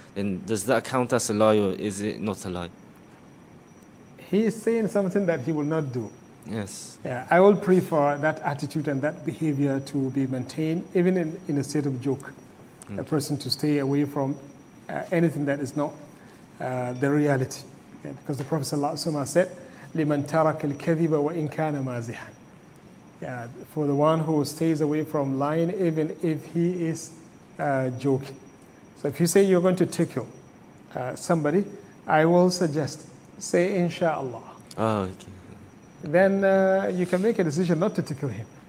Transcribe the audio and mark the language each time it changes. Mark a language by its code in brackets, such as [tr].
[en] Then does that count as a lie, or is it not a lie? He is saying something that he will not do. Yes. Yeah, I will prefer that attitude and that behavior to be maintained, even in a state of joke. Mm. A person to stay away from anything that is not the reality. Yeah, because the Prophet said, [ar] لِمَنْ تَرَكَ الْكَذِبَ وَإِنْ كَانَ مَازِحًا. [en] Yeah, for the one who stays away from lying, even if he is joking. So if you say you're going to tickle somebody, I will suggest, say inshallah. Oh, okay. Then you can make a decision not to tickle him.